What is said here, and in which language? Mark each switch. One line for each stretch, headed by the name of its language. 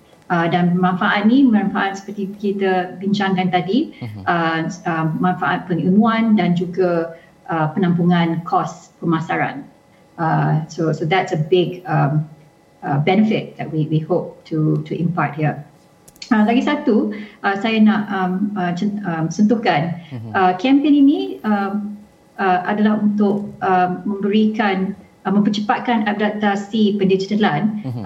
Malay: Dan manfaat ini, manfaat seperti kita bincangkan tadi, manfaat penilmuan dan juga penampungan kos pemasaran.
English: So that's a big benefit that we hope to impart here.
Malay: Lagi satu, saya nak sentuhkan. Kempen ini adalah untuk memberikan, mempercepatkan adaptasi pendigitalan.